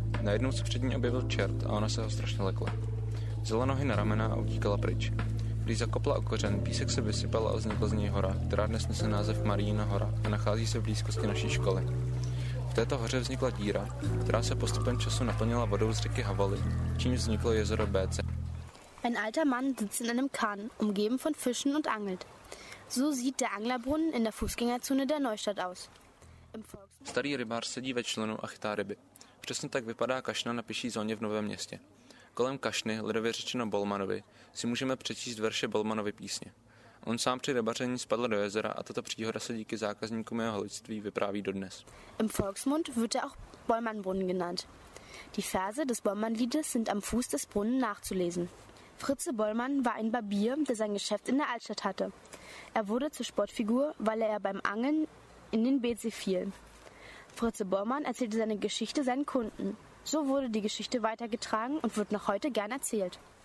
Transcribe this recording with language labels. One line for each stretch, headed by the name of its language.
Czech: Najednou se před ní objevil čert a ona se ho strašně lekla. Vzala nohy na ramena a utíkala pryč. Když zakopla o kořen, písek se vysypal a vznikla z něj hora, která dnes nese název Mariina hora a nachází se v blízkosti naší školy. V této hoře vznikla díra, která se postupem času naplnila vodou z řeky Havaly, čímž vzniklo jezero Beetsee.
German: Ein alter Mann sitzt in einem Kahn, umgeben von Fischen und angelt. So sieht der Anglerbrunnen in der Fußgängerzone der Neustadt aus.
Czech: Starý rybář sedí ve člunu a chytá ryby. Přesně tak vypadá kašna na pěší zóně v Novém městě. Kolem kašny, lidově řečeno Bolmanovi, si můžeme přečíst verše Bolmanovy písně. On sám při rybaření spadl do jezera a tato příhoda se díky zákazníkům jeho holictví vypráví dodnes.
German: Im Volksmund wird er auch Bollmann-Brunnen genannt. Die Verse des Bollmann-Liedes sind am Fuß des Brunnen nachzulesen. Fritze Bollmann war ein Barbier, der sein Geschäft in der Altstadt hatte. Er wurde zur Sportfigur, weil er beim Angeln in den Bezi fiel. Fritze Bollmann erzählte seine Geschichte seinen Kunden. So wurde die Geschichte weitergetragen und wird noch heute gern erzählt.